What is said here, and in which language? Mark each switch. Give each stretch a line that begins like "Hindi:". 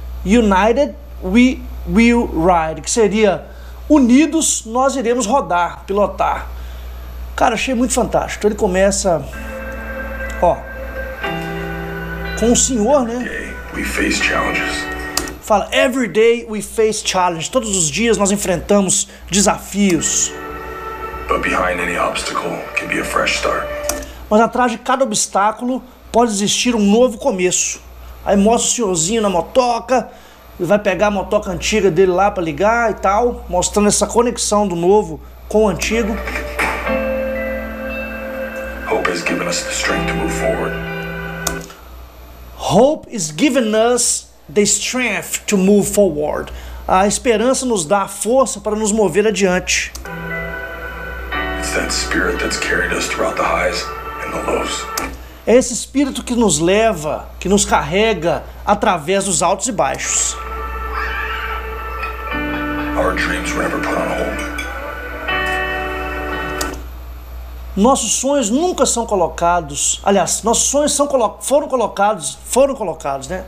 English: United We Will Ride,
Portuguese: que seria unidos nós iremos rodar, pilotar. Cara, achei muito fantástico. Então ele começa, ó, com o senhor, né?
English: We face challenges.
Portuguese: Fala,
English: every day we face challenges.
Portuguese: Todos os dias nós enfrentamos desafios.
English: But behind any obstacle can be a fresh start.
Portuguese: Mas atrás de cada obstáculo pode existir um novo começo. Aí mostra o senhorzinho na motoca, ele vai pegar a motoca antiga dele lá pra ligar e tal, mostrando essa conexão do novo com o antigo.
English: Hope has given us the strength to move forward. Hope is giving us the strength to move forward.
Portuguese: A esperança nos dá a força para nos mover adiante.
English: It's that spirit that's carried us throughout the highs and the lows.
Portuguese: É esse espírito que nos leva, que nos carrega através dos altos e baixos.
English: Our dreams were never put on hold.
Portuguese: Nossos sonhos nunca são colocados. Aliás, nossos sonhos são foram colocados, né?